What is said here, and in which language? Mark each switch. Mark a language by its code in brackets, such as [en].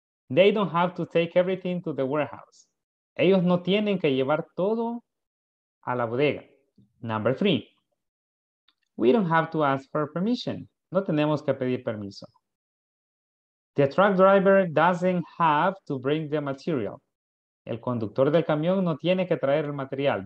[en] They don't have to take everything to the warehouse. [es] Ellos no tienen que llevar todo a la bodega. [en] Number three. We don't have to ask for permission. [es] No tenemos que pedir permiso. [en] The truck driver doesn't have to bring the material. [es] El conductor del camión no tiene que traer el material.